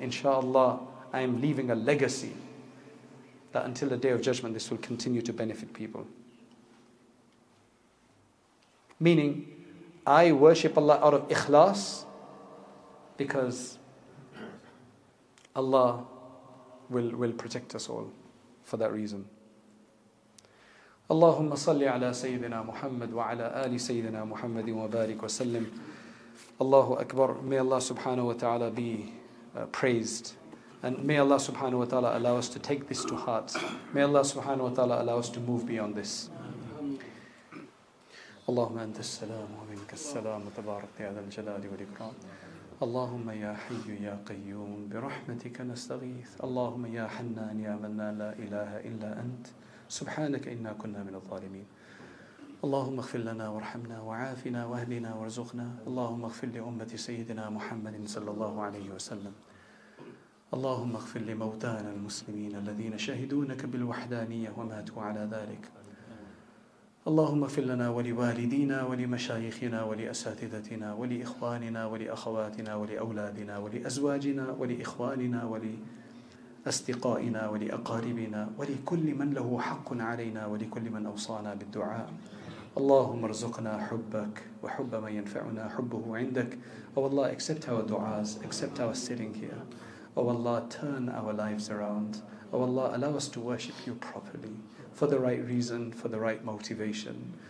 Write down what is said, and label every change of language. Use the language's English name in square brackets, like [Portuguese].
[English] InshaAllah, I am leaving a legacy that until the Day of Judgment, this will continue to benefit people. Meaning, I worship Allah out of ikhlas because Allah will protect us all for that reason. [Arabic] اللهم صل على سيدنا محمد وعلى آل سيدنا محمد وبارك وسلم الله أكبر. [English] May Allah subhanahu wa ta'ala be praised, and may Allah subhanahu wa ta'ala allow us to take this to heart. May Allah subhanahu wa ta'ala allow us to move beyond this. [Arabic] اللهم أنت السلام ومنك السلام تبارك يا ذا الجلال والإكرام. اللهم يا حي يا قيوم برحمتك نستغيث. اللهم يا حنان يا منان لا إله إلا أنت سبحانك إنا كنا من الظالمين. اللهم اغفر لنا وارحمنا وعافنا واهدنا وارزقنا. اللهم اغفر لأمة سيدنا محمد صلى الله عليه وسلم. اللهم اغفر لموتانا المسلمين الذين شهدونك بالوحدانية وماتوا على ذلك. اللهم اغفر لنا ولوالدينا ولمشايخنا ولأساتذتنا ولإخواننا ولأخواتنا ولأولادنا ولأزواجنا ولإخواننا أصدقائنا ولأقاربنا ولكل من له حق علينا ولكل من أوصانا بالدعاء. اللهم ارزقنا حبك وحب من ينفعنا حبه عندك. [English] Oh Allah, accept our du'as, accept our sitting here. Oh Allah, turn our lives around. Oh Allah, allow us to worship you properly, for the right reason, for the right motivation.